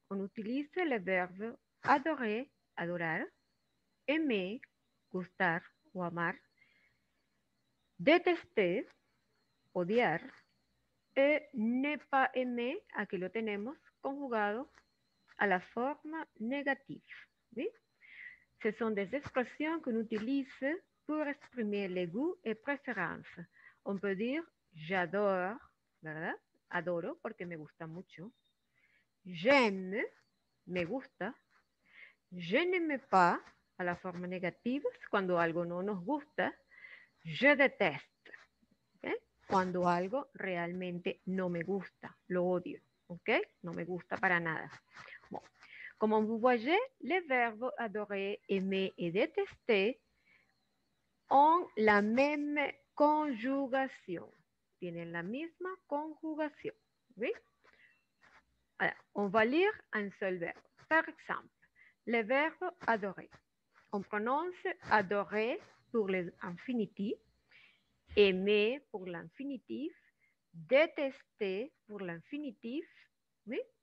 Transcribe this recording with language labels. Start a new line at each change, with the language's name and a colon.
French: On utilise les verbes adorer, adorar, aimer, gustar ou amar, détester, odiar, et ne pas aimer,
Spanish: aquí lo tenemos conjugado a la forma
French: négative. ¿Sí? Ce sont des expressions qu'on utilise pour exprimer les goûts et préférences. On peut dire j'adore, ¿verdad?
Spanish: Adoro porque me gusta mucho.
French: J'aime,
Spanish: me gusta.
French: Je n'aime pas,
Spanish: a la forma negativa, cuando algo no nos gusta.
French: Je déteste, ¿okay?
Spanish: Cuando algo realmente no me gusta, lo odio, ¿ok? No me gusta para nada. Bueno, como
French: vous voyez, les verbos adorer, aimer y détester ont la même conjugación.
Spanish: Tienen la misma conjugación.
French: ¿Oui? Alors, on va lire un seul verbe. Par exemple, le verbe adorer. On prononce adorer pour l'infinitif, aimer pour l'infinitif, détester pour l'infinitif. ¿Oui?